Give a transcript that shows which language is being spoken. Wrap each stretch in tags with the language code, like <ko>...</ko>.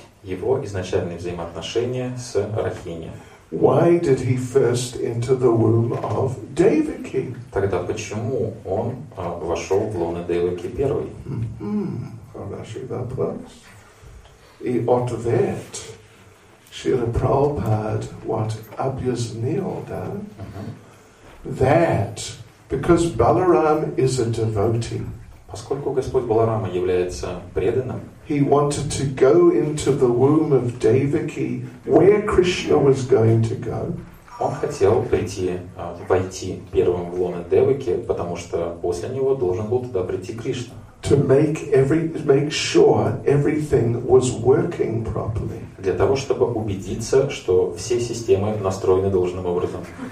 <ru>Его изначальные взаимоотношения с Рахини.</ru> <en>Why did he first enter the womb of Devaki?</en> <ru>Тогда почему он вошел в лоно Деваки первый? Хороший вопрос. И ответ. Шрила Прабхупад, what объяснил, да?</ru> <en>That, because Balaram is a devotee.</en> <ru>Поскольку Господь Баларама является преданным,</ru> <en>he wanted to go into the womb of Devaki, where Krishna was going to go.</en> <ru>Он хотел прийти, войти первым в лоно Деваки, потому что после него должен был туда прийти Кришна.</ru> <en>To make sure everything was working properly.</en> <ru>Для того, чтобы убедиться, что все системы настроены должным образом.</ru>